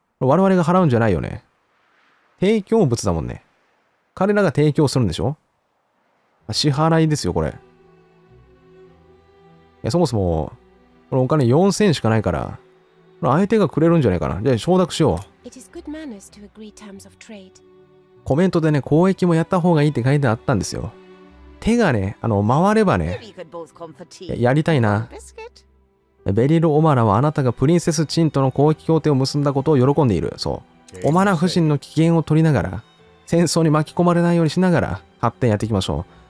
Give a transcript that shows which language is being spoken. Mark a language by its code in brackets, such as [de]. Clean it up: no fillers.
[ja] 我々が払うんじゃないよね。提供物だもんね。彼らが提供するんでしょ？支払いですよ、これ。そもそも、このお金4000しかないから、これ相手がくれるんじゃないかな。じゃあ承諾しよう。 [en] It is good manners to agree terms of trade. [ja] コメントでね、交易もやった方がいいって書いてあったんですよ。手がね、回ればね、やりたいな。ベリル・オマラはあなたがプリンセス・チンとの交易協定を結んだことを喜んでいる。そう。オマラ夫人の機嫌を取りながら、戦争に巻き込まれないようにしながら、発展やっていきましょう。